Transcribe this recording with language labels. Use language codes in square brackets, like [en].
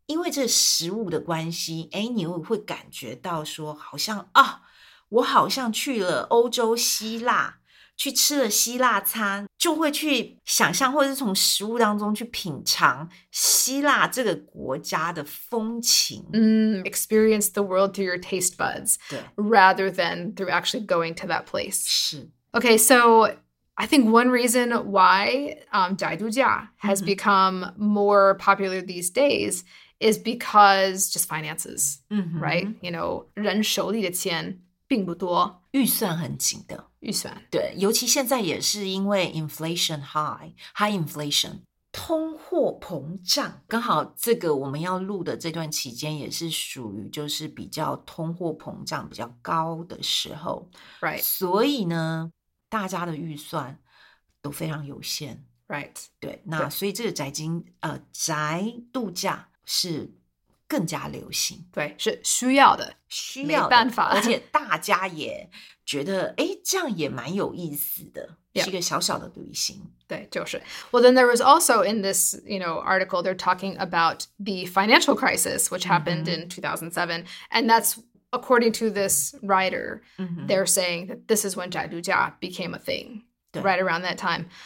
[zh] 因为这食物的关系，哎，你会感觉到说，好像啊，我好像去了欧洲希腊，去吃了希腊餐，就会去想象或者是从食物当中去品尝希腊这个国家的风情。 [en] Experience the world through your taste buds, rather than through actually going to that place. [zh] 是。 [en] Okay, so I think one reason why Jaidujia has become more popular these days is because just finances, right? You know, [zh] 人手里的钱并不多。预算很紧的。预算。对，尤其现在也是因为 inflation high inflation, 通货膨胀。刚好这个我们要录的这段期间也是属于就是比较通货膨胀比较高的时候。 [en] Right. [zh] 所以呢大家的预算都非常有限。 [en] Right. [zh] 对，那所以这个宅经宅度假是更加流行，对，是需要的，需要的，没办法，而且大家也觉得，哎，这样也蛮有意思的， [en] yeah. [zh] 是一个小小的旅行，对，就是。 [en] Well, then there was also in this, you know, article, they're talking about the financial crisis, which happened in 2007, and that's according to this writer, they're saying that this is when 宅度假 became a thing, right around that time.